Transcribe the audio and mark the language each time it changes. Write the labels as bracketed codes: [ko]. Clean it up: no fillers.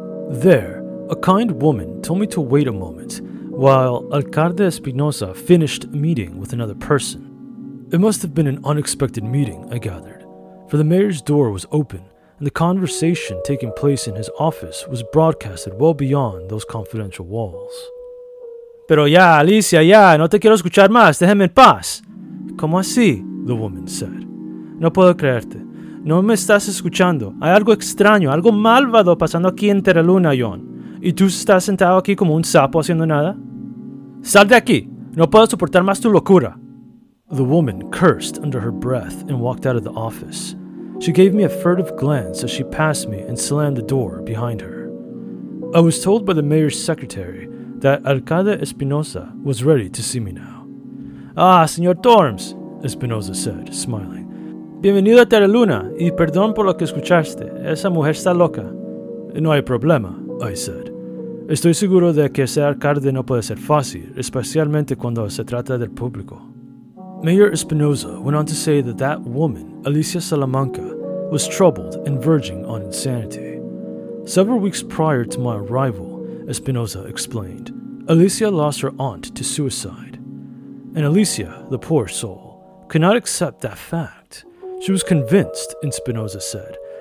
[en] There, a kind woman told me to wait a moment while Alcalde Espinosa finished a meeting with another person. It must have been an unexpected meeting, I gathered, for the mayor's door was open, and the conversation taking place in his office was broadcasted well beyond those confidential walls. [es] Pero ya, Alicia, ya, no te quiero escuchar más, déjame en paz. ¿Cómo así? [en] The woman said. [es] No puedo creerte, no me estás escuchando. Hay algo extraño, algo malvado pasando aquí en Terraluna, John. ¿Y tú estás sentado aquí como un sapo haciendo nada? Sal de aquí, no puedo soportar más tu locura. [en] The woman cursed under her breath and walked out of the office. She gave me a furtive glance as she passed me and slammed the door behind her. I was told by the mayor's secretary that Alcalde Espinosa was ready to see me now. Ah, Señor Torms, Espinosa said, smiling. [es] Bienvenido a Terraluna, y perdón por lo que escuchaste. Esa mujer está loca. No hay problema, [en] I said. [es] Estoy seguro de que ser alcalde no puede ser fácil, especialmente cuando se trata del público. [en] Mayor Espinosa went on to say that that woman, Alicia Salamanca, was troubled and verging on insanity. Several weeks prior to my arrival, Espinosa explained, Alicia lost her aunt to suicide. And Alicia, the poor soul, could not accept that fact. She was convinced, Espinosa said,